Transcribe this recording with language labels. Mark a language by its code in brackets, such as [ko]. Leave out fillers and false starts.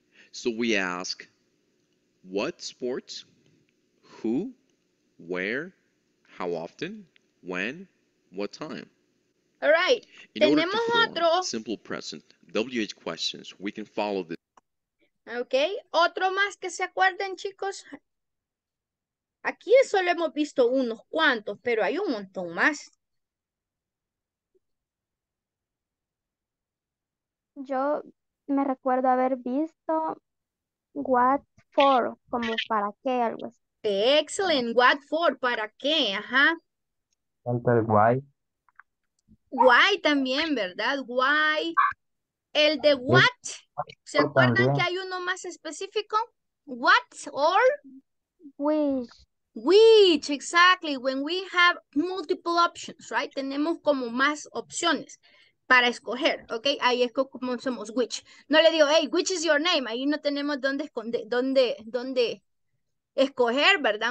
[en] So we ask, what sports, who, where, how often, when, what time? All right. [es] Tenemos otro. [en] Simple present, WH questions, we can follow this. [es] Okay, otro más que se acuerden, chicos. Aquí solo hemos visto unos cuantos, pero hay un montón más. Yo me recuerdo haber visto [en] what for, [es] como para qué, algo así. [en] Excellent, what for, [es] para qué, ajá. [en] Enter why. [es] Why también, ¿verdad? Why. El de what, ¿se acuerdan también que hay uno más específico? [en] What or? Which. Which, exactly, when we have multiple options, right? [es] Tenemos como más opciones para escoger, ¿ok? Ahí es como somos which. No le digo, [en] hey, which is your name? [es] Ahí no tenemos dónde esconder, dónde escoger, ¿verdad?